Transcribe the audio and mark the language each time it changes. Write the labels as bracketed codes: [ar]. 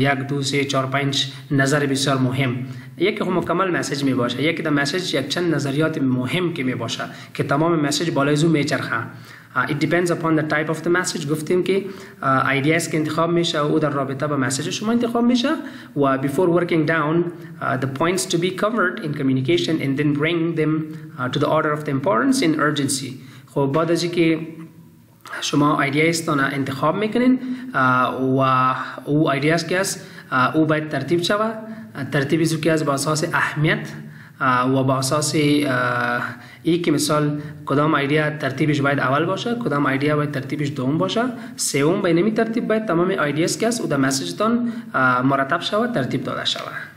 [fa] یک، دو، سه، چهار، پنج نظر بسیار مهم. یک که مکمل مسیج می باشه، یک که در مسیج یک چند نظریات مهم که می باشه که تمام مسیج بالای زو میچرخه. [en] It depends upon the type of the message. [fa] گفتیم که ideas که انتخاب میشه او در رابطه با مسیج شما انتخاب میشه. [en] و before working down the points to be covered in communication and then bring them to the order of the importance and urgency. [fa] خب بعد از اینکه شما ideas تان انتخاب میکنین و او ideas که است او باید ترتیب شوه، ترتیبی زو که از با اساس اهمیت و با اساس یک مثال کدام ایده ترتیبش باید اول باشه، کدام ایده باید ترتیبش دوم باشه، سوم به نمی ترتیب باید تمام ایدیاس که است او در مسیج تان مرتب شود، ترتیب داده شود.